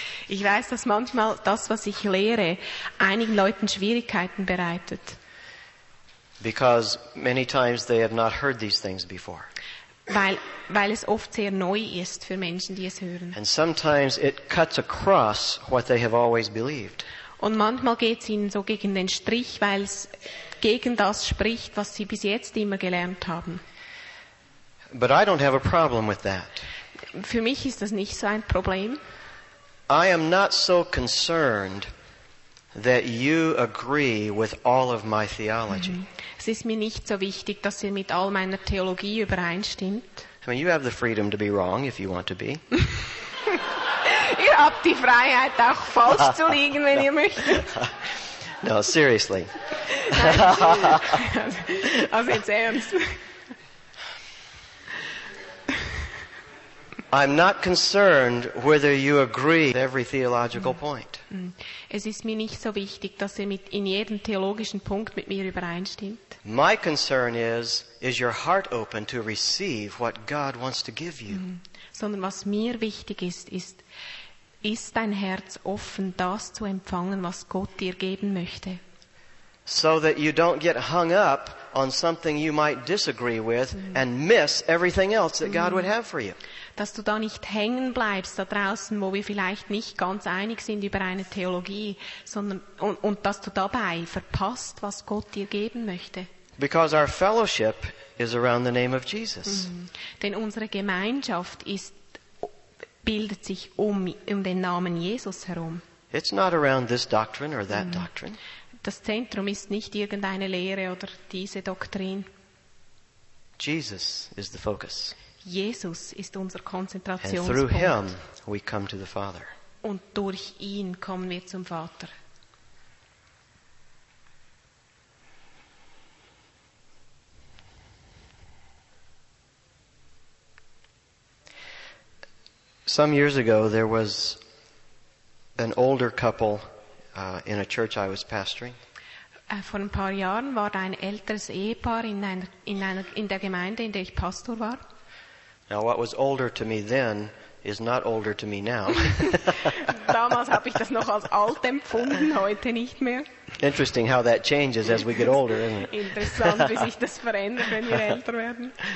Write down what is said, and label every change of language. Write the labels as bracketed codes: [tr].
[de] Ich weiß, dass manchmal das, was ich lehre, einigen Leuten Schwierigkeiten bereitet. [en] Because many times they have not heard these things before. [de] Weil es oft sehr neu ist für Menschen, die es hören. [en] And sometimes it cuts across what they have always believed. [de] Und manchmal geht's ihnen so gegen den Strich, weil es gegen das spricht, was sie bis jetzt immer gelernt haben. [en] But I don't have a problem with that. [de] Für mich ist das nicht so ein Problem. [en] I am not so concerned that you agree with all of my theology. [de] Es ist mir nicht so wichtig, dass ihr mit all meiner Theologie übereinstimmt. [en] I mean, you have the freedom to be wrong if you want to be. [de] Ihr habt die Freiheit, auch falsch zu liegen, wenn ihr möchtet. [en] No, seriously. [de] Also jetzt ernst. [en] I'm not concerned whether you agree with every theological point. [de] Es ist mir nicht so wichtig, dass ihr mit in jedem theologischen Punkt mit mir übereinstimmt. [en] My concern is your heart open to receive what God wants to give you. [de] Sondern was mir wichtig ist dein Herz offen, das zu empfangen, was Gott dir geben möchte. [en] So that you don't get hung up on something you might disagree with and miss everything else that God would have for you. [de] Dass du da nicht hängen bleibst da draußen, wo wir vielleicht nicht ganz einig sind über eine Theologie, sondern und dass du dabei verpasst, was Gott dir geben möchte. [en] Because our fellowship is around the name of Jesus. [de] Denn unsere Gemeinschaft bildet sich um den Namen Jesus herum. [en] It's not around this doctrine or that doctrine. [de] Das Zentrum ist nicht irgendeine Lehre oder diese Doktrin. [en] Jesus is the focus. [de] Jesus ist unser Konzentrationspunkt. [en] And through him we come to the Father. [de] Und durch ihn kommen wir zum Vater. [en] Some years ago there was an older couple in a church I was pastoring. [de] Vor ein paar Jahren war da ein älteres Ehepaar in der Gemeinde, in der ich Pastor war. [en] Now what was older to me then is not older to me now. [de] Damals habe ich das noch als alt empfunden, heute nicht mehr. [en] Interesting how that changes as we get older, isn't it? [de] Interessant, wie sich das verändert, wenn wir älter werden.